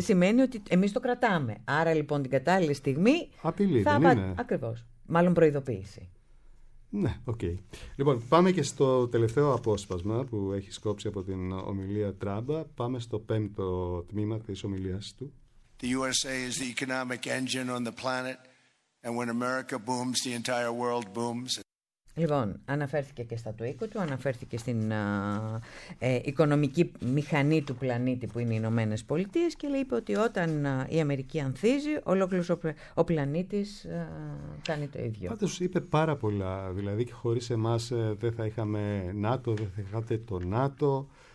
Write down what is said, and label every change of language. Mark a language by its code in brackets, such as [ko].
[el] Σημαίνει ότι εμείς το κρατάμε. Άρα λοιπόν την κατάλληλη στιγμή... Απειλή, θα δεν είναι. Ακριβώς. Μάλλον προειδοποίηση. Ναι, οκ. Okay. Λοιπόν, πάμε και στο τελευταίο απόσπασμα που έχει σκόψει από την ομιλία Τράμπα. Πάμε στο πέμπτο τμήμα της ομιλίας του. [en] The USA is the economic engine on the planet, and when America booms, the entire world booms. [el] Λοιπόν, αναφέρθηκε και στα του οίκου του, αναφέρθηκε στην οικονομική μηχανή του πλανήτη που είναι οι Ηνωμένες Πολιτείες και είπε ότι όταν η Αμερική ανθίζει, ολόκληρος ο πλανήτης κάνει το ίδιο. Πάντως είπε πάρα πολλά, δηλαδή και χωρίς εμάς δεν θα είχαμε ΝΑΤΟ, δεν θα είχατε το ΝΑΤΟ.